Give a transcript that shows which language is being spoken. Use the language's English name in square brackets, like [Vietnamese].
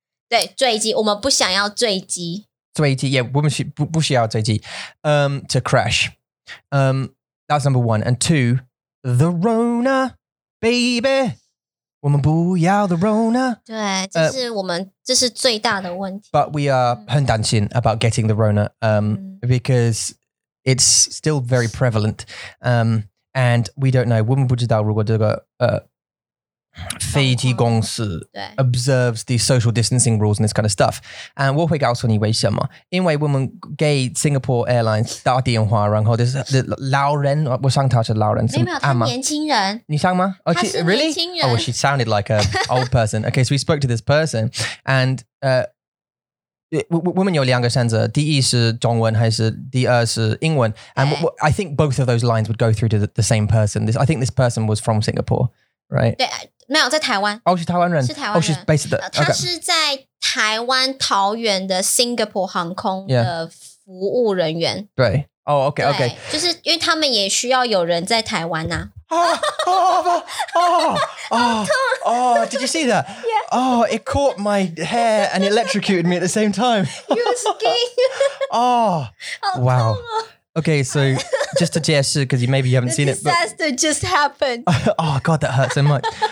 [Chinese] 对, 坠机, 我们不想要坠机. 坠机, yeah, 我们不需要坠机, [English] to crash. That's number one. And two, the Rona, baby. [Chinese] 我们不要the Rona. 对,这是我们,这是最大的问题。 [English] But we are [Chinese] 很担心 [English] about getting the Rona, because it's still very prevalent. And we don't know, [Chinese] 我们不知道如果这个, 飞机公司 [English] observes the social distancing rules and this kind of stuff. [Chinese] And 我会告诉你为什么。因为我们给 Singapore Airlines 打电话,然后这是老人, 我上他是老人, 没有,是年轻人。你上吗? [English] Oh, really? Oh, well, she sounded like an old person. Okay, so we spoke to this person. [Chinese] And 我们有两个选择,第一是中文还是第二是英文? [English] And I think both of those lines would go through to the same person. This, I think this person was from Singapore, right? [Chinese] 没有,在台湾。 [English] Oh, she's Taiwan人? [Chinese] 是台湾人。 [English] Oh, she's based at the... Okay. [Chinese] 她是在台湾桃园的Singapore航空的服务人员。 [English] Yeah. [Chinese] 对。 [English] Oh, okay, okay. [Chinese] 就是因为他们也需要有人在台湾啊。 [English] Oh, did you see that? Yeah. Oh, it caught my hair and electrocuted me at the same time. You were skiing. Oh, wow. Okay, so just to [Chinese] 解释, [English] because maybe you haven't the seen it. The disaster just happened. Oh, God, that hurt so much.